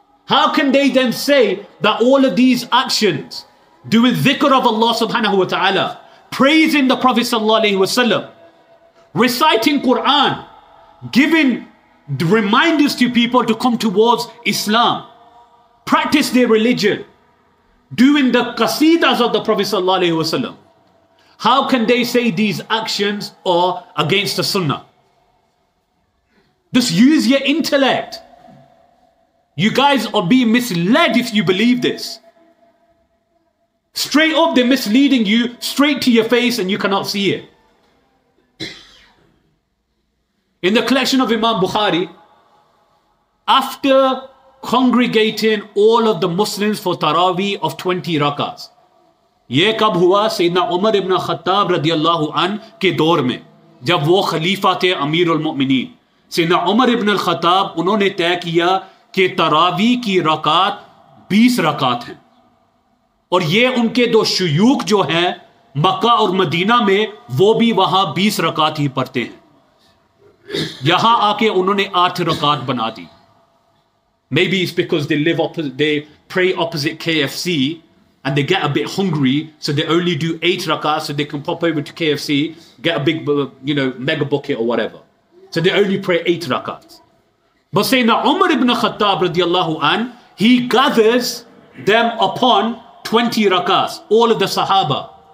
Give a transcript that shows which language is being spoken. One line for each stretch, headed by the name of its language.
English: How can they then say that all of these actions doing dhikr of Allah subhanahu wa ta'ala, praising the Prophet sallallahu alayhi wa sallam, reciting Quran, giving reminders to people to come towards Islam, practice their religion, doing the qasidas of the Prophet sallallahu alayhi wa sallam, how can they say these actions are against the sunnah? Just use your intellect. You guys are being misled if you believe this. Straight up, they're misleading you straight to your face and you cannot see it. In the collection of Imam Bukhari, after congregating all of the Muslims for Taraweeh of 20 rakahs,
Urdu: یہ کب ہوا؟ سیدنا عمر ابن خطاب رضی اللہ عنہ کے دور میں جب وہ خلیفہ تھے امیر المؤمنین. سیدنا عمر ابن الخطاب انہوں نے طے کیا کہ تراوی کی رکعت 20 رکعت ہیں, اور یہ ان کے دو شیوخ جو ہیں مکہ اور مدینہ میں وہ بھی وہاں 20 رکعت ہی پڑھتے ہیں. یہاں آ کے انہوں نے 8 رکعت بنا دی.
English: Maybe it's because they live opposite, they pray opposite KFC and they get a bit hungry, so they only do 8 rakahs so they can pop over to KFC, get a big, you know, mega bucket or whatever. So they only pray 8 rakahs. But Sayyidina Umar ibn Khattab radiallahu an, he gathers them upon 20 rakahs, all of the Sahaba.